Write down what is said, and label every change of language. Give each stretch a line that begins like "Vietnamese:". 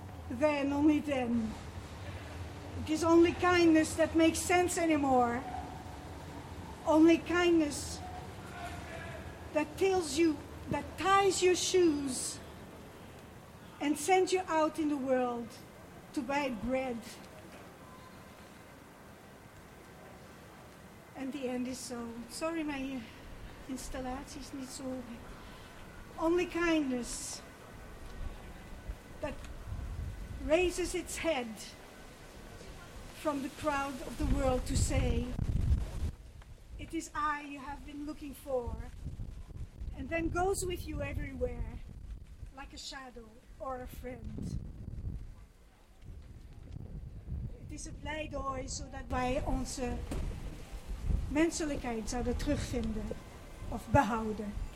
English: Then, only then. It is only kindness that makes sense anymore. Only kindness that tells you, that ties your shoes and sends you out in the world to buy bread. And the end is so.
Dutch: Sorry, my installaties niet zo.
English: Only kindness that raises its head from the crowd of the world to say, it is I you have been looking for, and then goes with you everywhere, like a shadow or a friend.
Dutch: Het is een pleidooi zodat wij onze menselijkheid zouden terugvinden of behouden.